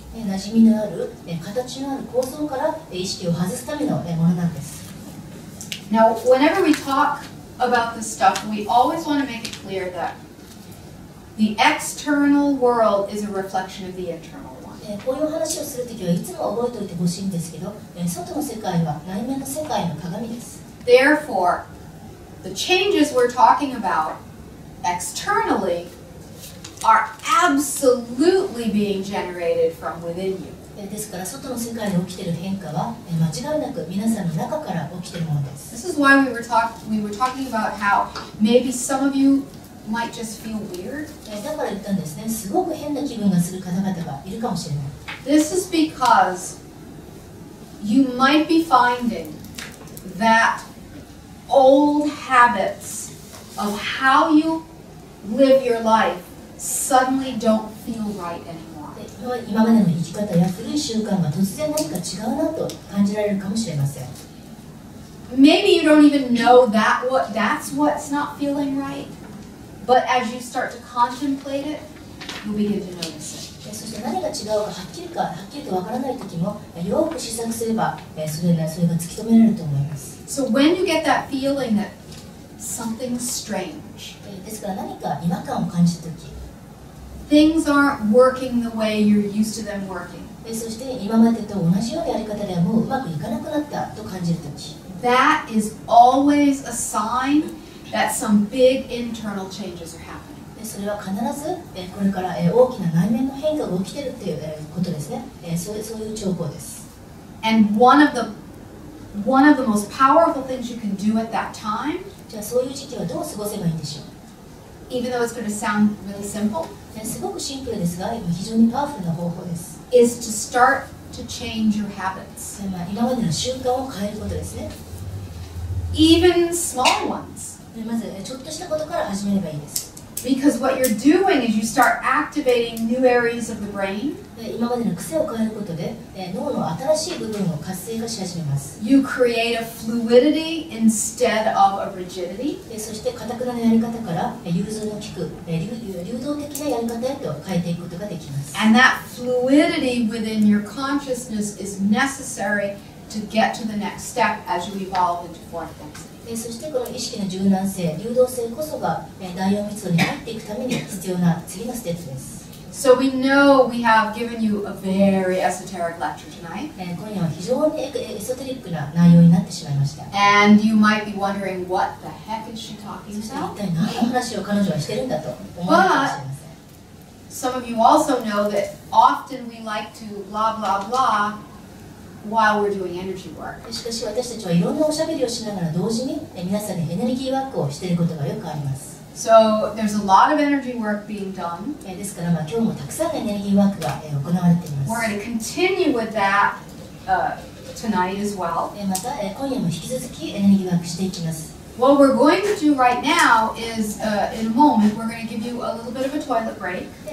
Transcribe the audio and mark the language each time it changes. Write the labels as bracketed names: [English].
[Japanese] 馴染みのある形のある構造から意識を外すためのものなんです。 [English] Now, whenever we talk about this stuff, we always want to make it clear that the external world is a reflection of the internal one. [Japanese] こういう話をするときはいつも覚えておいてほしいんですけど、外の世界は内面の世界の鏡です。 [English] Therefore, the changes we're talking about externally. Are absolutely being generated from within you. [Japanese] ですから外の世界で起きている変化は間違いなく皆さんの中から起きているものです。 [English] This is why we were talking about how maybe some of you might just feel weird. [Japanese] だから言ったんですね。すごく変な気分がする方々がいるかもしれない。 [English] This is because you might be finding that old habits of how you live your life. Suddenly don't feel right anymore. [Japanese] 今までの生き方や古い習慣が突然何か違うなと感じられるかもしれません。 [English] Maybe you don't even know that's what's not feeling right, but as you start to contemplate it, you'll begin to notice it. [Japanese] そして何が違うかはっきりと分からない時も、よく思索すれば、それが突き止められると思います。 [English] So when you get that feeling that something's strange, [Japanese] ですから何か違和感を感じた時 [English] Things aren't working the way you're used to them working. [Japanese] そして今までと同じようなやり方ではもううまくいかなくなったと感じるとき。 [English] That is always a sign that some big internal changes are happening. [Japanese] それは必ずこれから大きな内面の変化が起きているということですね。そういう兆候です。 [English] And one of the most powerful things you can do at that time. [Japanese] じゃあそういう時期はどう過ごせばいいんでしょう。 [English] Even though it's going to sound really simple. [Japanese] すごくシンプルですが、非常にパワフルな方法です。 [English] Is to start to change your habits. [Japanese] 今までの習慣を変えることですね。 [English] Even small ones. [Japanese] まずちょっとしたことから始めればいいです。 [English] Because what you're doing is you start activating new areas of the brain. [Japanese] 今までの癖を変えることで、脳の新しい部分を活性化し始めます。 [English] You create a fluidity instead of a rigidity. [Japanese] そして固くなるやり方から、融通の効く、流動的なやり方へと変えていくことができます。 [English] And that fluidity within your consciousness is necessary to get to the next step as you evolve into fourth density. [Japanese] そしてこの意識の柔軟性、流動性こそが第四密度に入っていくために必要な次のステップです。 [English] So we know we have given you a very esoteric lecture tonight. [Japanese] 今夜は非常にエソテリックな内容になってしまいました。 [English] And you might be wondering what the heck is she talking about? [Japanese] そして一体何の話を彼女はしてるんだと思うかもしれません。 [English] But some of you also know that often we like to blah blah blah while we're doing energy work. [Japanese] しかし私たちはいろんなおしゃべりをしながら同時に皆さんにエネルギーワークをしていることがよくあります。 [English] So there's a lot of energy work being done. [Japanese] ですから今日もたくさんのエネルギーワークが行われています。 [English] We're going to continue with that tonight as well. [Japanese] また今夜も引き続きエネルギーワークしていきます。 [English] What we're going to do right now is, in a moment, we're going to give you a little bit of a toilet break.